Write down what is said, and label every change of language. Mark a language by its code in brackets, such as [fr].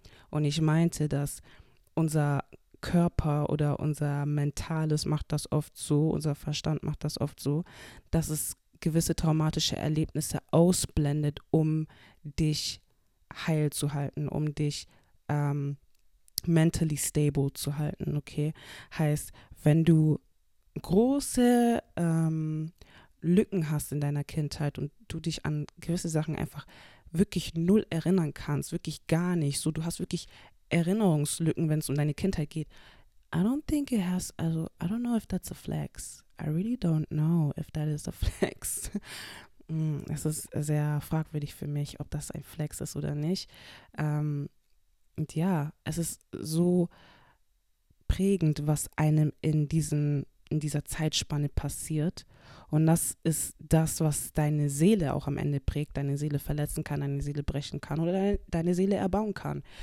[de] Und ich meinte, dass unser Körper oder unser Mentales macht das oft so, unser Verstand macht das oft so, dass es gewisse traumatische Erlebnisse ausblendet, um dich heil zu halten, um dich [en] mentally stable [de] zu halten, okay? Heißt, wenn du große Lücken hast in deiner Kindheit und du dich an gewisse Sachen einfach wirklich null erinnern kannst, wirklich gar nicht, so du hast wirklich Erinnerungslücken, wenn es um deine Kindheit geht. [en] I don't think it has, also I don't know if that's a flex. I really don't know if that is a flex. [de] Es ist sehr fragwürdig für mich, ob das ein Flex ist oder nicht. Und ja, es ist so prägend, was einem in dieser Zeitspanne passiert. Und das ist das, was deine Seele auch am Ende prägt, deine Seele verletzen kann, deine Seele brechen kann oder deine Seele erbauen kann.